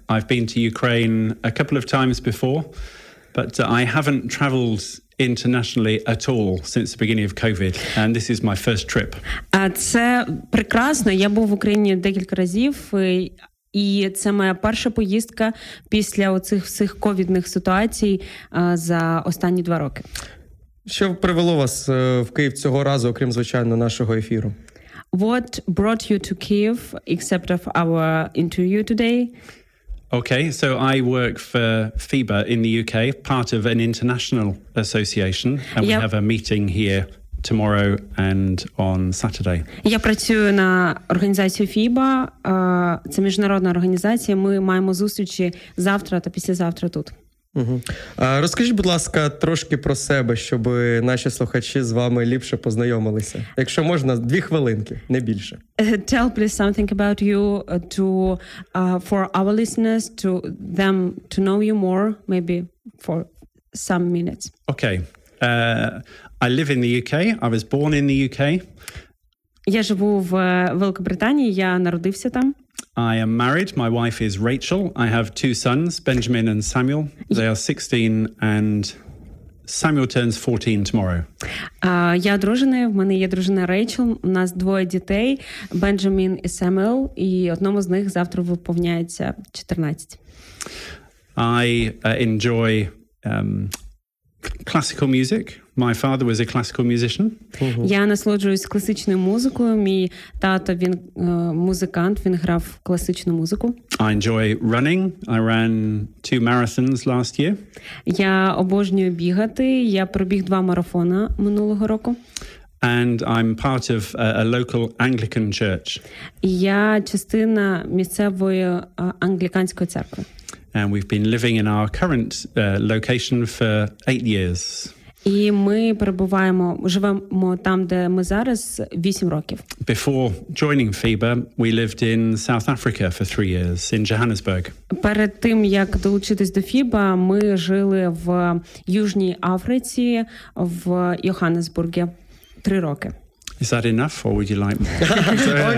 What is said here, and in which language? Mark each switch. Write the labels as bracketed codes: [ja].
[en] I've been to Ukraine a couple of times before, but I haven't traveled internationally at all since the beginning of COVID, and this is my first trip. [uk] Це прекрасно. Я був в Україні декілька разів, і це моя перша поїздка після оцих всіх ковідних ситуацій за останні два роки. Що привело вас в Київ цього разу, окрім, звичайно, нашого ефіру? [en] What brought you to Kyiv, except of our interview today? Okay, so I work for FIBA in the UK, part of an international association, and we have a meeting here tomorrow and on Saturday. [uk] Я працюю на організацію FIBA, це міжнародна організація, ми маємо зустрічі завтра та післязавтра тут. Розкажіть, будь ласка, трошки про себе, щоб наші слухачі з вами ліпше познайомилися. Якщо можна, дві хвилинки, не більше. [en] Tell please something about you to for our listeners to them to know you more, maybe for some minutes. Okay. I live in the UK. I was born in the UK. [uk] Я живу в Великобританії, я народився там. [en] I am married. My wife is Rachel. I have two sons, Benjamin and Samuel. They are 16 and Samuel turns 14 tomorrow. [uk] Я одружений, в мене є дружина Рейчел, у нас двоє дітей, Бенджамін і Семюел, і одному з них завтра виповняється 14. [en] I enjoy classical music. My father was a classical musician. [uk] Я насолоджуюсь класичною музикою. Мій тато, він музикант, він грав класичну музику. [en] I enjoy running. I ran two marathons last year. [uk] Я обожнюю бігати. Я пробіг два марафони минулого року. [en] And I'm part of a local Anglican church. [uk] Я частина місцевої англіканської церкви. [en] And we've been living in our current location for 8 years. [uk] І ми перебуваємо, живемо там, де ми зараз, 8 років. [en] Before joining FIBA, we lived in South Africa for 3 years, in Johannesburg. [uk] Перед тим, як долучитись до FIBA, ми жили в Южній Африці, в Йоханнесбурзі, 3 роки. [en] Is that enough, or would you like more?